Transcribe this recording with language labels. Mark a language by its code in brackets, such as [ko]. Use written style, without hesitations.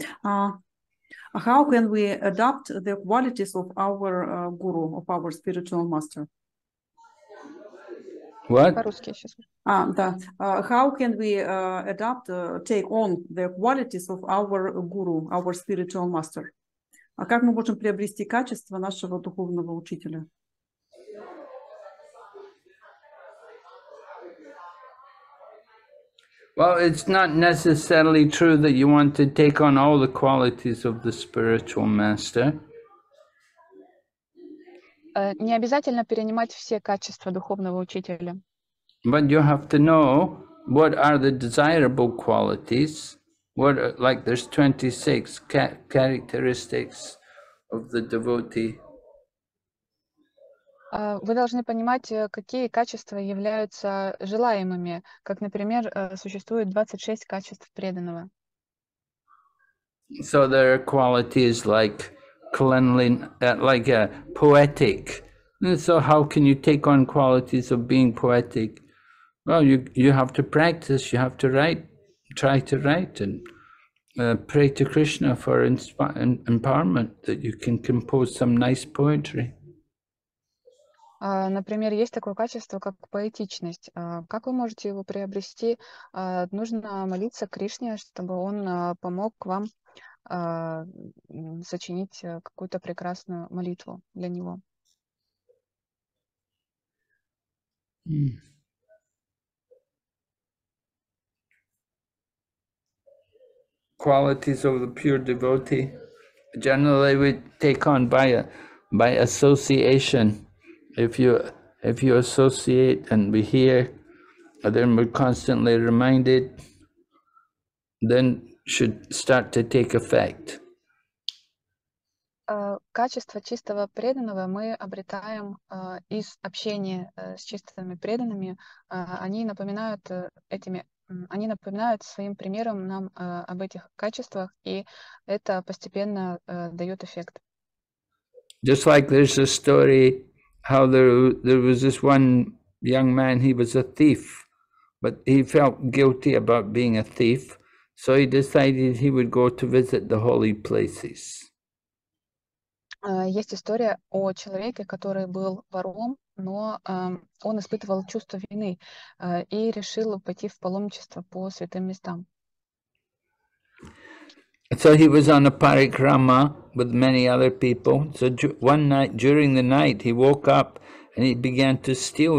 [en] How can we adapt the qualities of our guru, of our spiritual master? What? [ru] А, да. [en] How can we adapt, take on the qualities of our guru, our spiritual master? [ru] А как мы можем приобрести качество нашего духовного учителя? [en] Well, it's not necessarily true that you want to take on all the qualities of the spiritual master. [ru] Не обязательно перенимать все качества духовного учителя. [en] But you have to know what are the desirable qualities. What, like there's 26 characteristics of the devotee. [ru] Вы должны понимать, какие качества являются желаемыми, как, например, существует 26 качеств преданного. [en] So there are qualities like cleanliness, like a poetic. So how can you take on qualities of being poetic? Well, you have to practice, you have to write, try to write and pray to Krishna for empowerment that you can compose some nice poetry. [ru] Например, есть такое качество, как поэтичность. Как вы можете его приобрести? Нужно молиться Кришне, чтобы он помог вам сочинить какую-то прекрасную молитву для него. [en] Qualities of the pure devotee. Generally, we take on by association. If you associate and we hear, and then we're constantly reminded, then should start to take effect. [ru] Качество чистого преданного мы обретаем из общения с чистыми преданными. Они напоминают своим примером нам об этих качествах, и это постепенно дает эффект. [en] Just like there's a story. How there was this one young man, he was a thief, but he felt guilty about being a thief, so he decided he would go to visit the holy places. [ru] Есть история о человеке, который был вором, но он испытывал чувство вины и решил пойти в паломничество по святым местам. [en] So he was on a parikrama with many other people. So one night, during the night, he woke up and he began to steal.